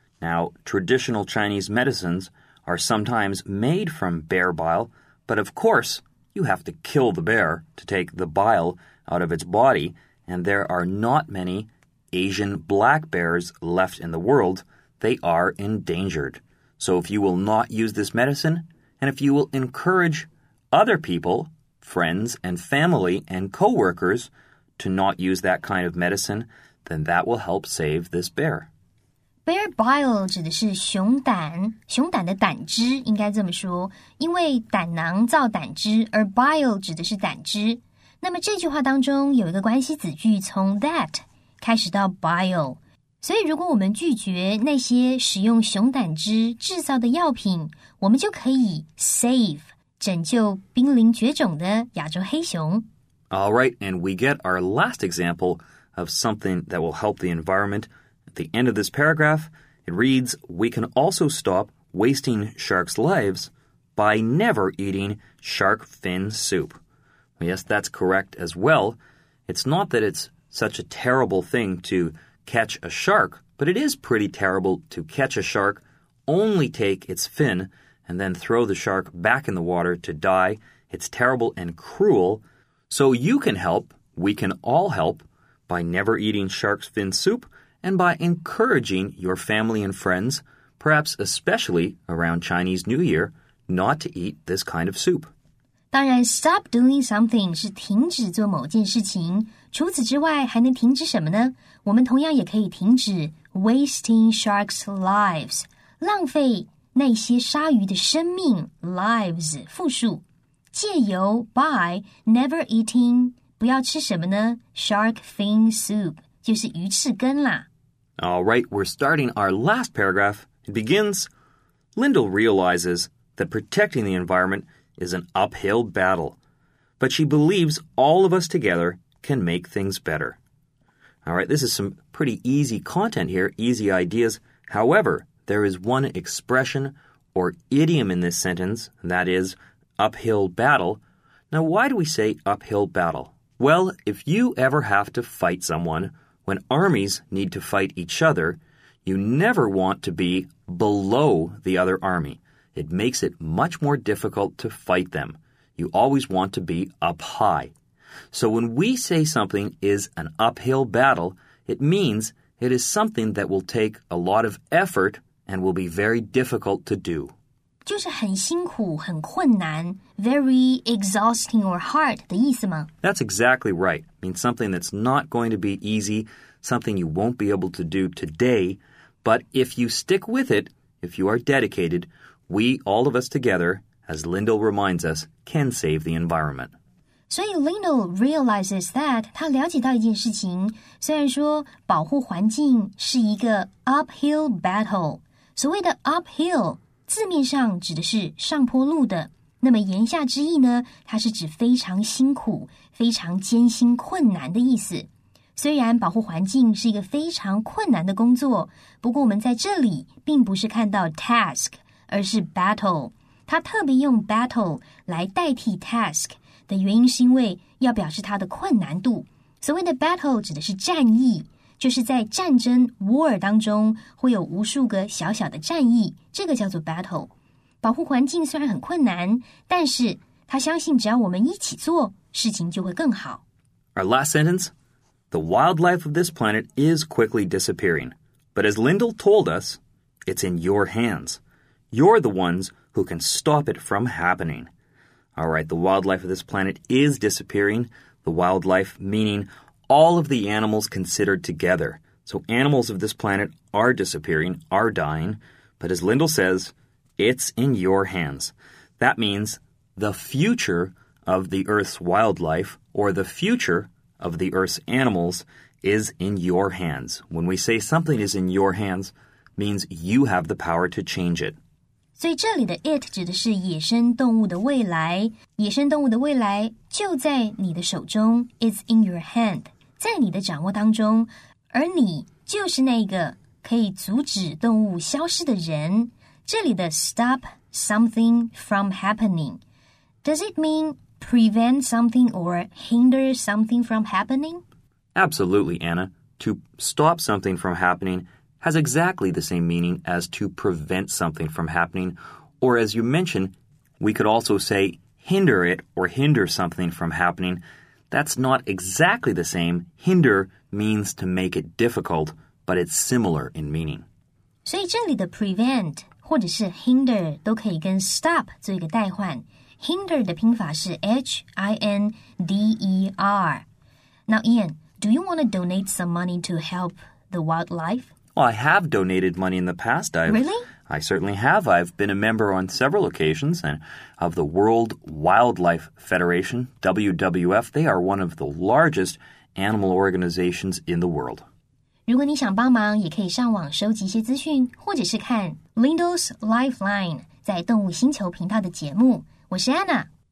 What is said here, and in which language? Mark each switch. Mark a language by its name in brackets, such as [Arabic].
[English] Now, traditional Chinese medicines are sometimes made from bear bile, but of course, you have to kill the bear to take the bile out of its body, and there are not many Asian black bears left in the world. They are endangered. So if you will not use this medicine, and if you will encourage other people, friends and family and co-workers, to not use that kind of medicine, then that will help save this bear. [Chinese] Bear bile 指的是熊胆，熊胆的胆汁应该这么说，因为胆囊造胆汁，而 bile 指的是胆汁。那么这句话当中有一个关系子句，从 that 开始到 bile。所以如果我们拒绝那些使用熊胆汁制造的药品，我们就可以 save 拯救濒临绝种的亚洲黑熊。 [English] All right, and we get our last example of something that will help the environment. At the end of this paragraph, it reads, "We can also stop wasting sharks' lives by never eating shark fin soup." Yes, that's correct as well. It's not that it's such a terrible thing to catch a shark, but it is pretty terrible to catch a shark, only take its fin, and then throw the shark back in the water to die. It's terrible and cruel. So you can help, we can all help, by never eating shark's fin soup and by encouraging your family and friends, perhaps especially around Chinese New Year, not to eat this kind of soup. [Chinese] 当然 [English] stop doing something [Chinese] 是停止做某件事情。除此之外还能停止什么呢？我们同样也可以停止 [English] wasting sharks' lives, [Chinese] 浪费那些鲨鱼的生命 lives, 复数。借由 [English] by never eating, [Chinese] 不要吃什么呢? [English] Shark fin soup, [Chinese] 就是鱼翅羹啦。 [English] All right, we're starting our last paragraph. It begins, Lyndall realizes that protecting the environment is an uphill battle, but she believes all of us together can make things better. All right, this is some pretty easy content here, easy ideas. However, there is one expression or idiom in this sentence, that is,uphill battle. Now, why do we say uphill battle? Well, if you ever have to fight someone, when armies need to fight each other, you never want to be below the other army. It makes it much more difficult to fight them. You always want to be up high. So when we say something is an uphill battle, it means it is something that will take a lot of effort and will be very difficult to do. [Chinese] 就是很辛苦很困难 [English] very exhausting or hard [Chinese] 的意思吗 [English] That's exactly right. I mean, something that's not going to be easy, something you won't be able to do today. But if you stick with it, if you are dedicated, we, all of us together, as Lyndall reminds us, can save the environment. [Chinese] 所以 [English] Lyndall realizes that, [Chinese] 他了解到一件事情虽然说保护环境是一个 uphill battle, 所谓的 uphill,字面上指的是上坡路的，那么言下之意呢，它是指非常辛苦、非常艰辛、困难的意思。虽然保护环境是一个非常困难的工作，不过我们在这里并不是看到 task， 而是 battle。它特别用 battle 来代替 task 的原因，是因为要表示它的困难度。所谓的 battle 指的是战役。就是在战争 war 当中会有无数个小小的战役，这个叫做 battle。保护环境虽然很困难，但是他相信只要我们一起做，事情就会更好。 [English] Our last sentence: The wildlife of this planet is quickly disappearing, but as Lyndall told us, it's in your hands. You're the ones who can stop it from happening. All right, the wildlife of this planet is disappearing. The wildlife meaning. All of the animals considered together. So animals of this planet are disappearing, are dying. But as Lyndall says, it's in your hands. That means the future of the Earth's wildlife or the future of the Earth's animals is in your hands. When we say something is in your hands, means you have the power to change it. [Chinese] 所以这里的 it 指的是野生动物的未来，野生动物的未来就在你的手中， [English] It's in your hand， [Chinese] 在你的掌握当中，而你就是那个可以阻止动物消失的人。这里的 [English] stop something from happening， Does it mean prevent something or hinder something from happening？ Absolutely, Anna. To stop something from happening has exactly the same meaning as to prevent something from happening. Or as you mentioned, we could also say hinder it or hinder something from happening. That's not exactly the same. Hinder means to make it difficult, but it's similar in meaning. [Chinese] 所以这里的 prevent 或者是 hinder 都可以跟 stop 做一个代换。 Hinder 的拼法是 H-I-N-D-E-R. [English] Now, Ian, do you want to donate some money to help the wildlife? Well, I have donated money in the past. Really? I certainly have. I've been a member on several occasions and of the World Wildlife Federation, WWF. They are one of the largest animal organizations in the world. [Chinese] 如果你想帮忙，也可以上网收集一些资讯，或者是看 Lindell's Lifeline 在动物星球频道的节目。我是 Anna.